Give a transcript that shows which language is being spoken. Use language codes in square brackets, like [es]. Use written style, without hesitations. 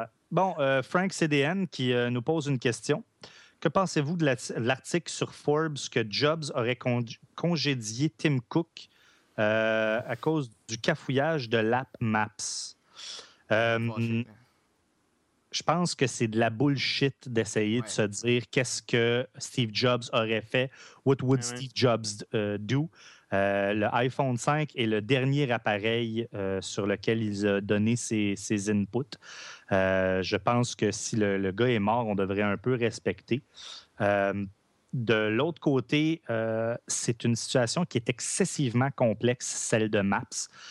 [fr] Bon, Frank CDN qui nous pose une question. Que pensez-vous de l'article sur Forbes que Jobs aurait congédié Tim Cook à cause du cafouillage de l'app Maps? Je pense que c'est de la bullshit d'essayer de se dire qu'est-ce que Steve Jobs aurait fait. [en] What would Steve Jobs do? [fr] Le iPhone 5 est le dernier appareil sur lequel il a donné ses inputs. Je pense que si le gars est mort, on devrait un peu respecter. De l'autre côté, c'est une situation qui est excessivement complexe, celle de Maps.